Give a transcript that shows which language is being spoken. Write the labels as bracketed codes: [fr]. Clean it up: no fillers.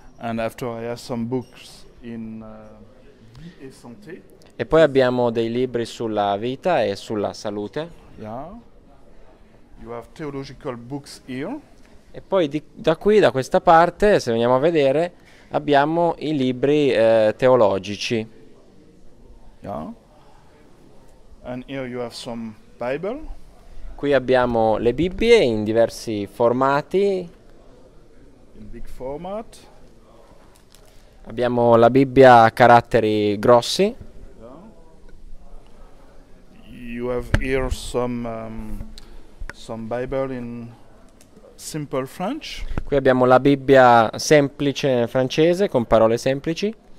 [en] And after I have some books in Vie et Santé. [it] E poi abbiamo dei libri sulla vita e sulla salute. [en] You have theological books here. [it] E poi da qui, da questa parte, se veniamo a vedere, abbiamo i libri teologici. [en] And here you have some Bible. [it] Qui abbiamo le Bibbie in diversi formati. [en] In big format. [it] Abbiamo la Bibbia a caratteri grossi. E [en] You have here some Bible in simple French. [it] qui abbiamo la Bibbia semplice francese con parole semplici.